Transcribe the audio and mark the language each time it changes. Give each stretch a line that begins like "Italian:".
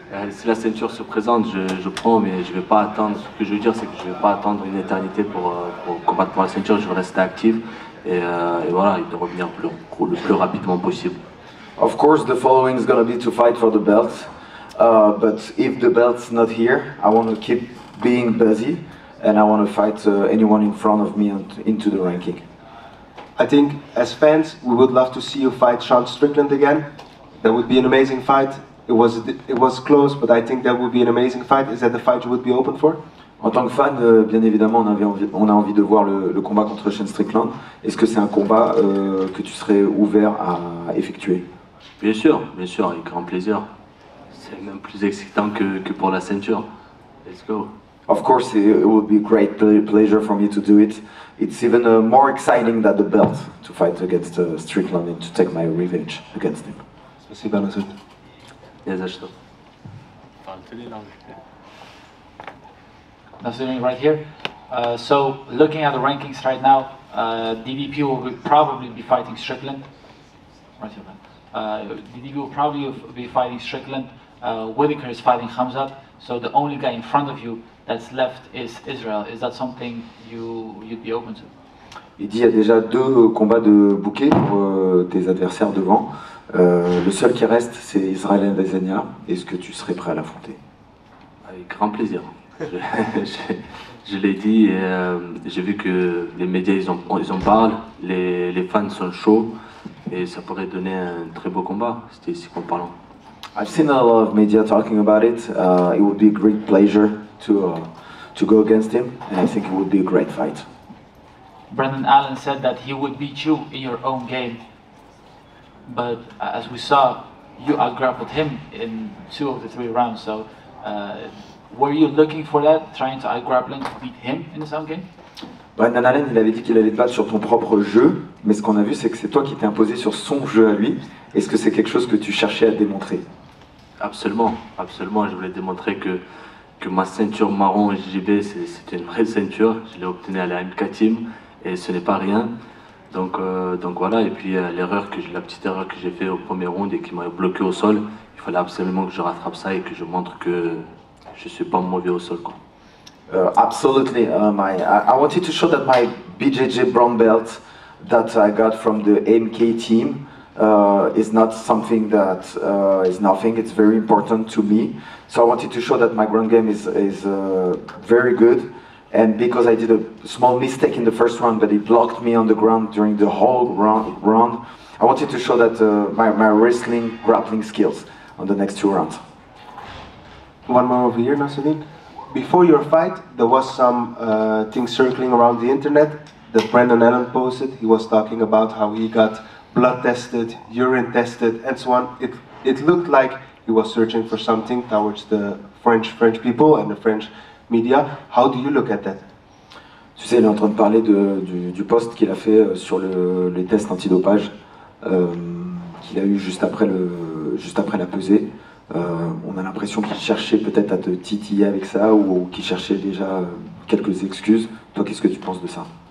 French: Si la ceinture se présente, je prends, mais je vais pas attendre. Ce que je veux dire, c'est que je vais pas attendre une éternité pour combattre pour la ceinture. Je vais rester actif et voilà, et de revenir le plus rapidement possible.
English: Of course, the following is gonna be to fight for the belt. But if the belt's not here, I want to keep being busy. And I want to fight anyone in front of me into the ranking. I think as fans, we would love to see you fight Sean Strickland again. That would be an amazing fight. It was close, but I think that would be an amazing fight. Is that the fight you would be open for?
French: En tant que fan, bien évidemment, on a envie de voir le combat contre Sean Strickland. Est-ce que c'est un combat que tu serais ouvert à effectuer? Bien sûr, avec grand plaisir. C'est même plus excitant que pour la ceinture.
English: Let's go. Of course, it would be a great pleasure for me to do it. It's even more exciting than the belt to fight against Strickland and to take my revenge against him.
French: Merci, Benazur.
English: Yes, I should. Nothing right here. So, looking at the rankings right now, DDP will probably be fighting Strickland. Right here, man. DDP will probably be fighting Strickland. Whitaker is fighting Khamzat. So, the only guy in front of you that's left is Israel. Is that something you'd be open to?
French: Il dit il y a déjà deux combats de bouquet pour tes adversaires devant. Le seul qui reste, c'est Israel Adesanya. Est-ce que tu serais prêt à l'affronter? Avec grand plaisir. Je l'ai dit, et j'ai vu que les médias, ils en parlent. Les fans sont chauds et ça pourrait donner un très beau combat. C'était ici qu'on parlait.
English: I've seen a lot of media talking about it. It would be a great pleasure to go against him, and I think it would be a great fight. Brandon Allen said that he would beat you in your own game, but as we saw, you outgrappled him in two of the three rounds. So, were you looking for that, trying to outgrapple and beat him in his own game?
French: Brandon Allen, il avait dit qu'il allait te battre sur ton propre jeu, mais ce qu'on a vu, c'est que c'est toi qui t'es imposé sur son jeu à lui. Est-ce que c'est quelque chose que tu cherchais à démontrer? Absolument, absolument. Je voulais démontrer que ma ceinture marron JJB, c'est une vraie ceinture. Je l'ai obtenue à la MK Team et ce n'est pas rien. Donc voilà. Et puis la petite erreur que j'ai faite au premier round et qui m'a bloqué au sol, il fallait absolument que je rattrape ça et que je montre que je ne suis pas mauvais au sol, quoi.
English: Absolutely. I wanted to show that my BJJ brown belt that I got from the MK Team is not something that is nothing. It's very important to me. So I wanted to show that my ground game is very good. And because I did a small mistake in the first round, but he blocked me on the ground during the whole round, I wanted to show that my wrestling, grappling skills on the next two rounds. One more over here, Nasreddin. Before your fight, there was some things circling around the internet that Brandon Allen posted. He was talking about how he got blood tested, urine tested, and so on. It looked like he was searching for something towards the French people and the French media. How do you look at that? Tu sais, il est en train de parler du post qu'il a fait sur les tests antidopage qu'il a eu juste après la pesée. On a l'impression qu'il cherchait peut-être à te titiller avec ça ou qu'il cherchait déjà quelques excuses. Toi, qu'est-ce que tu penses de ça?